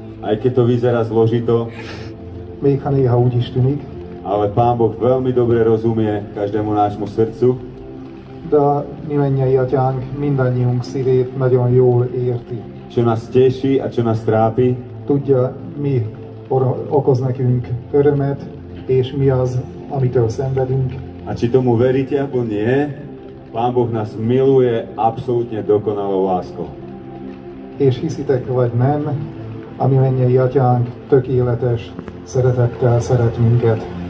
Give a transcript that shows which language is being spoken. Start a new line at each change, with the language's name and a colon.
Slovak: Aj keď to vyzerá zložito.
Hungarian: Még ha néha úgy is tűnik.
Slovak: Ale Pán Boh veľmi dobre rozumie každému nášmu srdcu.
Hungarian: De mi mennyei atyánk mindannyiunk szívét nagyon jól érti.
Slovak: Čo nás teší a čo nás trápi.
Hungarian: Tudja, mi okoz nekünk örömet, és mi az, amitől szenvedünk.
Slovak: A či tomu veríte, alebo nie, Pán Boh nás miluje absolútne dokonalou láskou.
Hungarian: És hiszitek, vagy nem, a mi mennyei atyánk tökéletes szeretettel szeret minket.